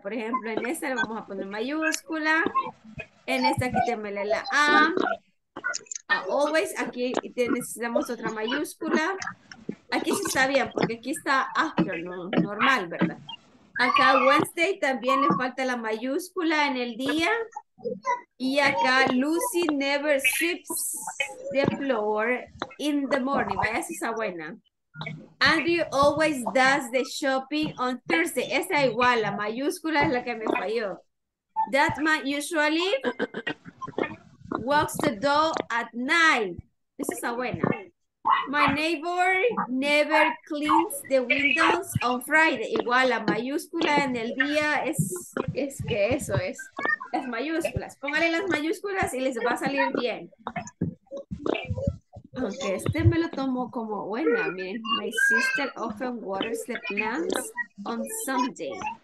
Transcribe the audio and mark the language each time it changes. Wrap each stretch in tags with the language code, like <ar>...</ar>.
<es>Por ejemplo, en esta le vamos a poner mayúscula. En esta quítenle la A. A always, aquí necesitamos otra mayúscula. Aquí sí está bien, porque aquí está after, no, normal, ¿verdad? Acá Wednesday también le falta la mayúscula en el día. Y acá</es> <en>Lucy never sweeps the floor in the morning.</en> <es>Vaya, esa buena.</es> <en>Andrew always does the shopping on Thursday.</en> <es>Esa igual, la mayúscula es la que me falló.</es> <en>That man usually walks the dog at night.</en> <es>Esa es buena.</es> <en>My neighbor never cleans the windows on Friday.</en> <es>Igual, la mayúscula en el día es que eso es. Las mayúsculas. Póngale las mayúsculas y les va a salir bien. Aunque este me lo tomo como buena. Miren,</es> <en>my sister often waters the plants on Sunday.</en>